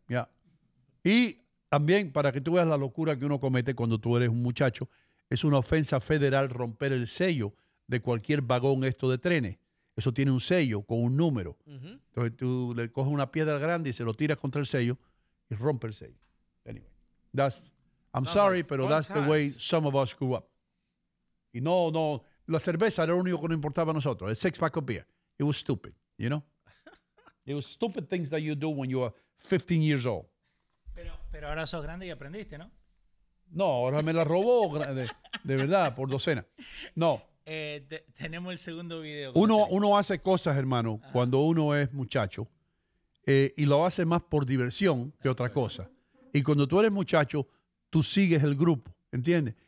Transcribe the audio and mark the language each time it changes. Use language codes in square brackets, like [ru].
[es] Yeah. Y también, para que tú veas la locura que uno comete cuando tú eres un muchacho, es una ofensa federal romper el sello de cualquier vagón esto de trenes. Eso tiene un sello con un número. Entonces tú le coges una piedra grande y se lo tiras contra el sello y rompe el sello. [en] Anyway, that's, I'm sorry, pero that's the way some of us grew up. [es] Y no, no, la cerveza era lo único que nos importaba a nosotros, el six pack of beer. [en] It was stupid, you know? It was stupid things that you do when you are 15 years old. [es] Pero ahora sos grande y aprendiste, ¿no? No, ahora me la robó, de verdad, por docena. No. Tenemos el segundo video. Uno hace cosas, hermano, ajá, cuando uno es muchacho, y lo hace más por diversión que otra cosa. Y cuando tú eres muchacho, tú sigues el grupo, ¿entiendes?